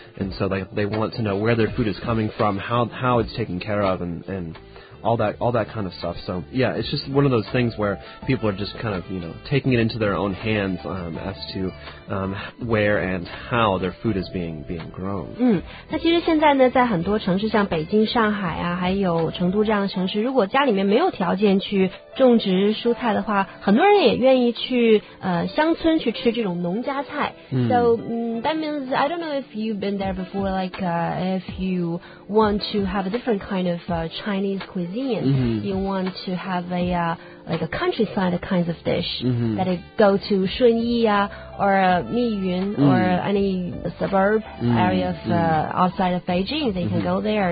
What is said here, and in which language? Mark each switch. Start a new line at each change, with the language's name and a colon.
English: And so they want to know where their food is coming from, how it's taken care of, and all that kind of stuff. So, yeah, it's just one of those things where people are just kind of, you know, taking it into their own hands as to where and how their food is being grown.
Chinese: 那其实现在呢，在很多城市，像北京、上海啊，还有成都这样的城市，如果家里面没有条件去种植蔬菜的话，很多人也愿意去乡村去吃这种农家菜。
English: So, that means, I don't know if you've been there before, like if you want to have a different kind of Chinese cuisine, you want to have a like a countryside kinds of dish, that it go to Shunyi or Miyun or any suburb area of outside of Beijing. They can go there.